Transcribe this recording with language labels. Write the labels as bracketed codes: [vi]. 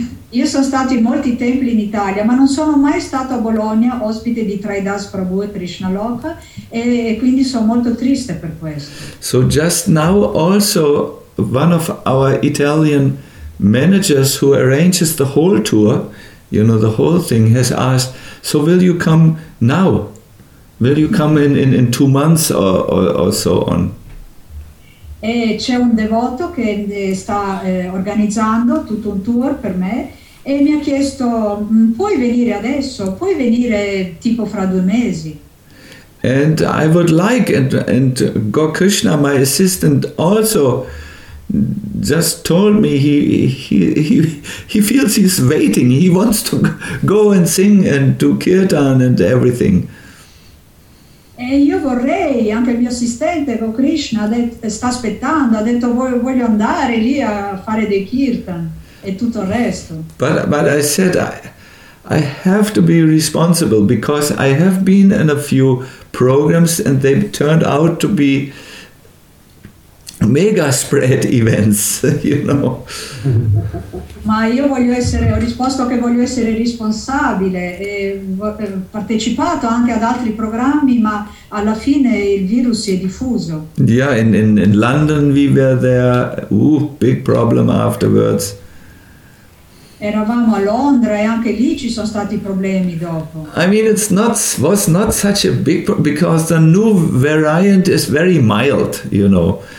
[it] Io sono stato in molti templi in Italia, ma non sono mai stato a Bologna ospite di Trinidas Prabhu e Krishna Loka, e quindi sono molto triste per questo. [en] So just now also one of our Italian managers who arranges the whole tour, you know, the whole thing, has asked, so will you come now? Will you come in 2 months or so on? [it] E c'è un devoto che sta organizzando tutto un tour per me e mi ha chiesto, puoi venire adesso? Puoi venire tipo fra 2 mesi? [en] And I would like, and Gokrishna, my assistant, also just told me he feels he's waiting. He wants to go and sing and do kirtan and everything. [it] E io vorrei, anche il mio assistente Gokrishna sta aspettando, ha detto voglio andare lì a fare dei kirtan e tutto il resto. [en] But I said I have to be responsible because I have been in a few programs and they turned out to be mega spread events, you know. [it] Ma io voglio essere, ho risposto che voglio essere responsabile e partecipato anche ad altri programmi, ma alla fine il virus si è diffuso. [en] Yeah, in London we were there. Ooh, big problem afterwards. [it] Eravamo a Londra e anche lì ci sono stati problemi dopo. [en] I mean, it's not, was not such a big problem because the new variant is very mild, you know.